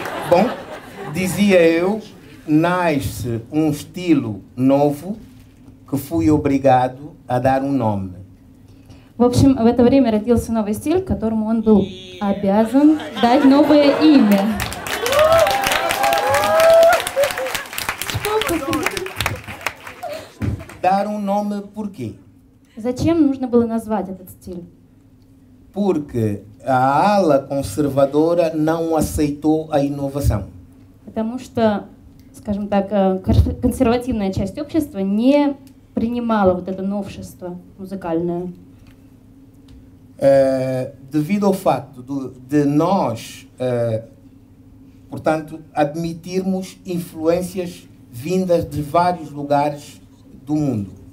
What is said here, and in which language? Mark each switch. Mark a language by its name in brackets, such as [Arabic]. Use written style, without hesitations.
[Portuguese] Bom, dizia eu, nasce um estilo novo que fui obrigado a dar um nome. [Russian] В общем, в это время родился новый стиль, которому он был обязан дать новое имя. [Portuguese] Dar um nome por quê? [Russian] Зачем нужно было назвать этот стиль? [Portuguese] Porque a ala conservadora não aceitou a inovação. [Russian] Потому что, скажем так, консервативная часть общества не принимала вот это новшество музыкальное. [Portuguese] Devido ao facto de nós, portanto, admitirmos influências vindas de vários lugares do mundo.